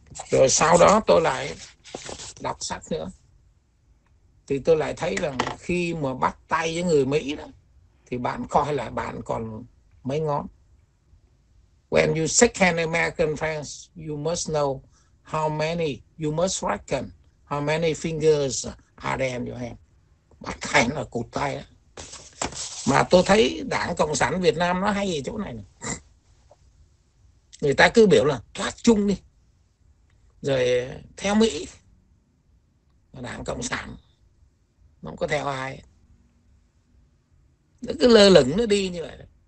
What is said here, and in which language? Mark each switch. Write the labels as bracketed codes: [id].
[vi] Rồi sau đó tôi lại đọc sách nữa, thì tôi lại thấy rằng khi mà bắt tay với người Mỹ đó, thì bạn coi lại bạn còn mấy ngón. [en] When you shake hand American friends, you must know how many, you must reckon how many fingers are there in your hand. [vi] Bắt tay là cụt tay đó. Mà tôi thấy Đảng Cộng sản Việt Nam nó hay ở chỗ này, này. Người ta cứ biểu là thoát chung đi, rồi theo Mỹ. Đảng Cộng sản nó không có theo ai, nó cứ lơ lửng nó đi như vậy.